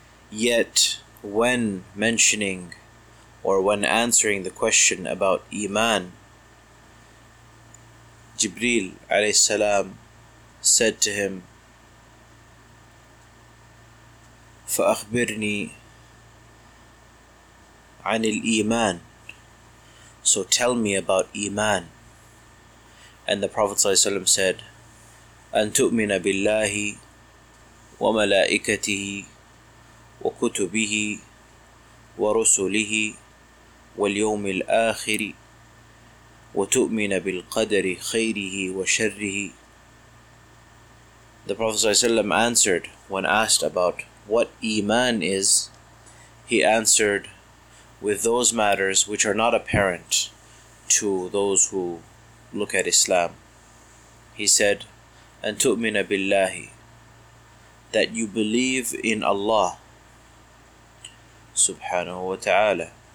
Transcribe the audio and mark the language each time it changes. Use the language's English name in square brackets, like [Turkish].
[English] Yet when mentioning or when answering the question about Iman, Jibreel alayhi salam said to him, [Arabic] فَأَخْبِرْنِي عَنِ الْإِيمَانِ, [English] so tell me about Iman. And the Prophet sallallahu alayhi wasallam said, [Arabic] أَنْ تُؤْمِنَ بِاللَّهِ وَمَلَائِكَتِهِ وَكُتُبِهِ وَرُسُلِهِ واليوم الآخر وتؤمن بالقدر خيره وشره. [English] The Prophet ﷺ answered when asked about what Iman is, he answered with those matters which are not apparent to those who look at Islam. He said, [Arabic] أن تؤمن بالله, [English] that you believe in Allah سبحانه وتعالى,